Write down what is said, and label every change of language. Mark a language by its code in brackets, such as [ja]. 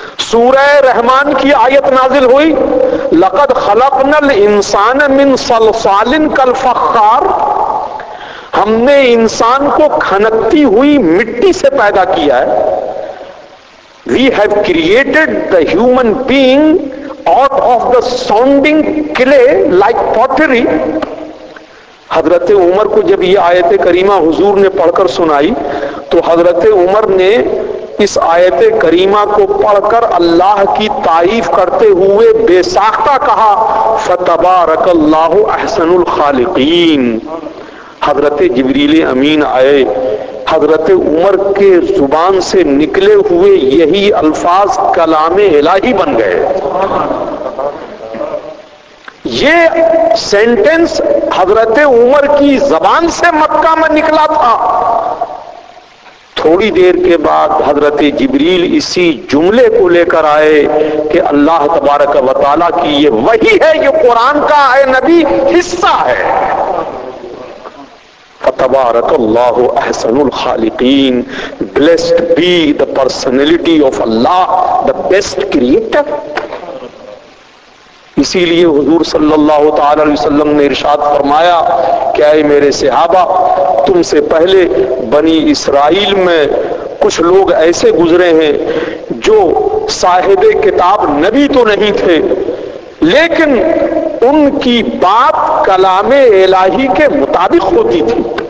[ur] سورہ رحمان کی آیت نازل ہوئی, [ar] لَقَدْ خَلَقْنَا الْإِنسَانَ مِن صَلْصَالٍ كَالْفَخَّارِ, [ur] ہم نے انسان کو کھنکتی ہوئی مٹی سے پیدا کیا ہے. [en] We have created the human being out of the sounding clay like pottery. [ur] حضرت عمر کو جب یہ آیت کریمہ حضور نے پڑھ کر سنائی تو حضرت عمر نے اس آیت کریمہ کو پڑھ کر اللہ کی تعریف کرتے ہوئے بے ساختہ کہا, [ar] فتبارک اللہ احسن الخالقین. [ur] حضرت جبریل امین آئے, حضرت عمر کے زبان سے نکلے ہوئے یہی الفاظ کلام الہی بن گئے. یہ سینٹنس حضرت عمر کی زبان سے مکہ میں نکلا تھا, تھوڑی دیر کے بعد حضرت جبریل اسی جملے کو لے کر آئے کہ اللہ تبارک و تعالی کی یہ وحی ہے, یہ قرآن کا اے نبی حصہ ہے. [ar] تبارک اللہ احسن الخالقین, [en] Blessed be the personality of اللہ the best creator. [ur] اسی لیے حضور صلی اللہ تعالی علیہ وسلم نے ارشاد فرمایا کہ اے میرے صحابہ, تم سے پہلے بنی اسرائیل میں کچھ لوگ ایسے گزرے ہیں جو صاحب کتاب نبی تو نہیں تھے لیکن ان کی بات کلام الہی کے مطابق ہوتی تھی.